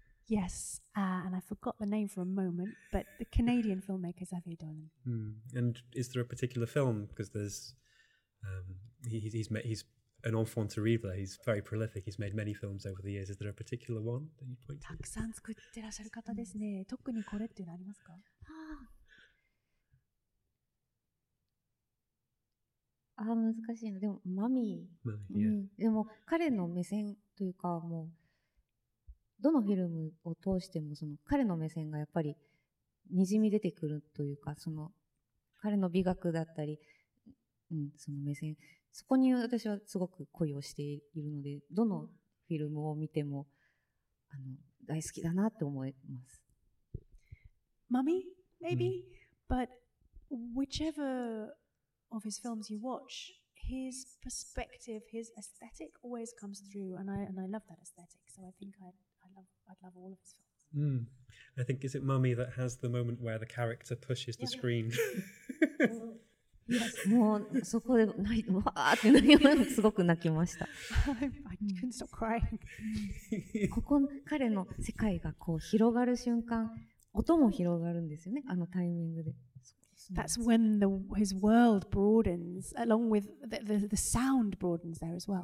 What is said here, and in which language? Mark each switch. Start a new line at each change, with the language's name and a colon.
English: Yes, and I forgot the name for a moment, but the Canadian filmmaker Xavier Dolan. Mm. And is there a particular film? Because there's he's an enfant terrible. He's very prolific. He's made many films over the years. Is there a particular one that you point to?
Japanese: たくさん作ってらっしゃる方ですね。特にこれっていうのありますか？ああ、難しいな。でもマミー。でも彼の目線というか、もう どのフィルムを通しても、その彼の目線がやっぱりにじみ出てくるというか、その彼の美学だったり、その目線、そこに私はすごく恋をしているので、どのフィルムを見ても、あの、大好きだなって思います。Mummy,
English: maybe, but whichever of his films you watch, his perspective, his aesthetic always comes through, and I love that aesthetic. So I think I'd love all of his films. Mm. I think, is it Mummy that has the moment where the character pushes the screen? Yes.
Japanese: もうそこで、わーって、すごく泣きました。
English: I couldn't stop crying.
Japanese: ここ、彼の世界がこう広がる瞬間、音も広がるんですよね、あのタイミングで。
English: That's when his world broadens, along with the sound broadens there as well.